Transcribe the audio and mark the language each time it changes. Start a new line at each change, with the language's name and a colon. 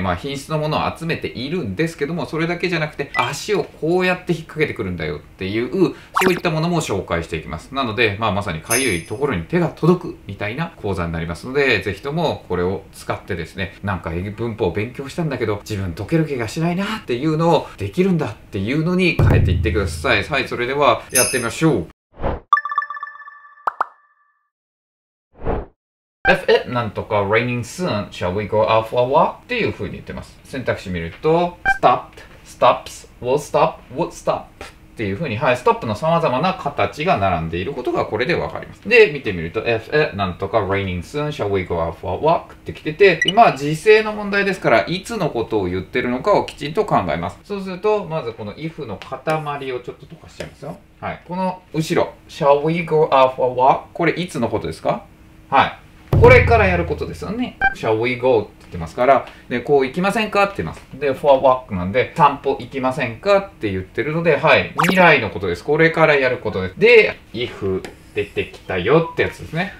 Japanese: まあ品質のものを集めているんですけども、それだけじゃなくて足をこうやって引っ掛けてくるんだよっていう、そういったものも紹介していきます。なのでまあまさにかゆいところに手が届くみたいな講座になりますので、ぜひともこれを使ってですね、なんか英文法を勉強したんだけど自分解ける気がしないなっていうのを、できるんだっていうのに変えていってください。はい、それではやってみましょう。
English: If it
Japanese: なんとか
English: raining soon, shall we go out for a walk?
Japanese: っていう風に言ってます。選択肢見ると
English: stopped, stops, will stop, would stop
Japanese: っていう風に、はい、ストップの様々な形が並んでいることがこれでわかります。で、見てみると
English: If it なんとか raining soon, shall we go out for a walk?
Japanese: って来てて、今時制の問題ですから、いつのことを言ってるのかをきちんと考えます。そうすると、まずこの if の塊をちょっと溶かしちゃいますよ。はい、この後ろ
English: shall we go out for a walk?
Japanese: これいつのことですか？はい、これからやることですよね。
English: Shall we go?
Japanese: って言ってますから、で、こう行きませんかって言います。で、
English: for a walk
Japanese: なんで、散歩行きませんかって言ってるので、はい。未来のことです。これからやることです。で、if 出てきたよってやつですね。